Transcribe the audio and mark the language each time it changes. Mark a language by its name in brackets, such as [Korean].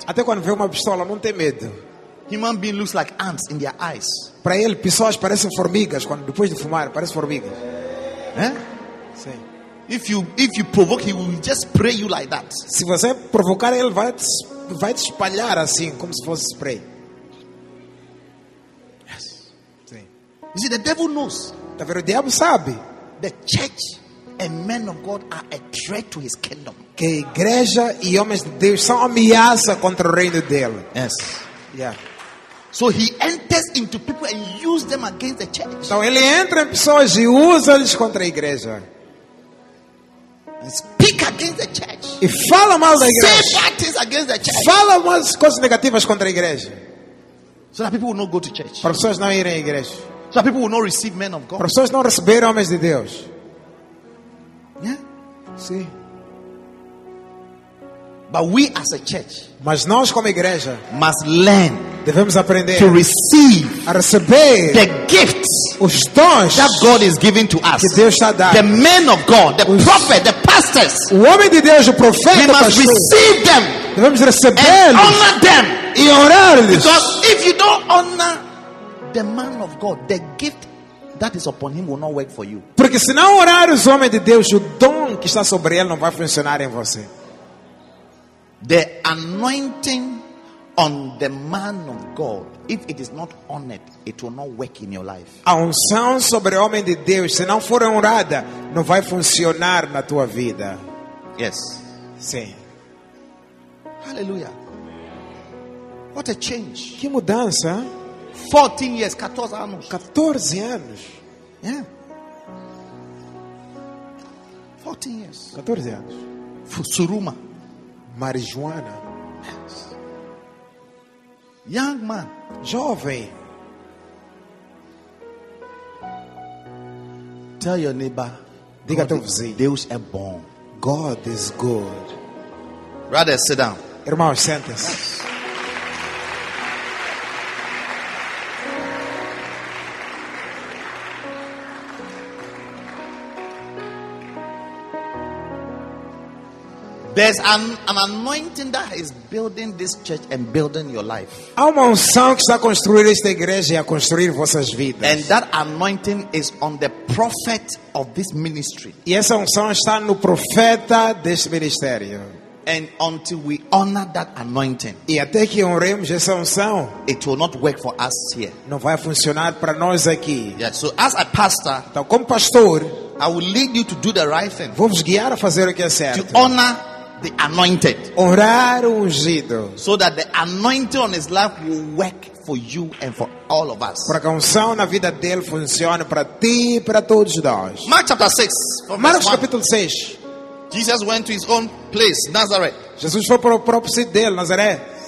[Portuguese] Até quando vê uma pistola, não tem medo. [English] Human being looks like ants in their eyes. [Portuguese] Para ele, pessoas parecem formigas quando depois de fumar, parecem formigas. Sim. [English] If you provoke, he will just spray you like that. [Portuguese] Se você provocar, ele vai te espalhar assim, como se fosse spray. [English] Yes. [Portuguese] Sim. [English] You see, the devil knows. [Portuguese] Tá vendo? O diabo sabe. [English] The church and men of God are a threat to his kingdom. [Portuguese] Que a igreja e homens de Deus são ameaça contra o reino dele. [English] Yes. Yeah. So he enters into people and uses them against the church. [Portuguese] Então ele entra em pessoas e usa-lhes contra a igreja. [English] And speak against the church. [Portuguese] E fala mal da igreja. [English] Say bad things against the church. [Portuguese] Fala mais coisas negativas contra a igreja. [English] So that people will not go to church. [Portuguese] Para pessoas não irem à igreja. [English] So that people will not receive men of God. [Portuguese] Para pessoas não receberem homens de Deus. [English] Yeah? [Portuguese] Sim. [English] But we as a church, [Portuguese] mas nós como igreja, [English] must learn, [Portuguese] devemos aprender, [English] to receive, [Portuguese] a receber, [English] the gifts, [Portuguese] os dons, [English] that God is giving to us, [Portuguese] que Deus está dando, [English] the men of God, the prophet, the pastors, [Portuguese] o homem de Deus, o profeta, [English] we must [Portuguese] pastor, [English] receive them, [Portuguese] devemos recebê-los, [English] and honor them, [Portuguese] e honrá-los, [English] because if you don't honor the man of God, the gift that is upon him will not work for you. [Portuguese] Porque se não honrares o homem de Deus, o dom que está sobre ele não vai funcionar em você. [English] The anointing on the man of God, if it is not honored, it will not work in your life. [Portuguese] A unção sobre o homem de Deus, se não for honrada, não vai funcionar na tua vida. [English] Yes. [Portuguese] Sim. [English] Hallelujah. What a change. [Portuguese] Que mudança. [English] 14 years, [Portuguese] 14 anos. 14 anos. [English] Yeah. 14 years. [Portuguese] 14 anos. Fusuruma. [English] Marijuana. Yes. Young man, [Portuguese] jovem. [English] Tell your neighbor, [Portuguese] diga teu vizinho, Deus é bom. [English] God is good. Brother, sit down. [Portuguese] Irmão, sente-se. Yes. [English] There's an anointing that is building this church and building your life. [Portuguese] Há uma unção que está a construir esta igreja e a construir vossas vidas. [English] And that anointing is on the prophet of this ministry. [Portuguese] E essa unção está no profeta deste ministério. [English] And until we honor that anointing, [Portuguese] e até que honremos essa unção, [English] it will not work for us here. [Portuguese] Não vai funcionar para nós aqui. [English] Yeah, so as a pastor, [Portuguese] então como pastor, [English] I will lead you to do the right thing. [Portuguese] Vou vos guiar a fazer o que é certo. [English] To honor the anointed, [Portuguese] orar o ungido, [English] so that the anointing on his life will work for you and for all of us. [Portuguese] Para que a unção na vida dele funcione para ti e para todos nós. [English] Mark chapter 6. [Portuguese] Marcos capítulo 6. [English] Jesus went to his own place, Nazareth. [Portuguese] Jesus foi para o próprio sítio dele, Nazaré.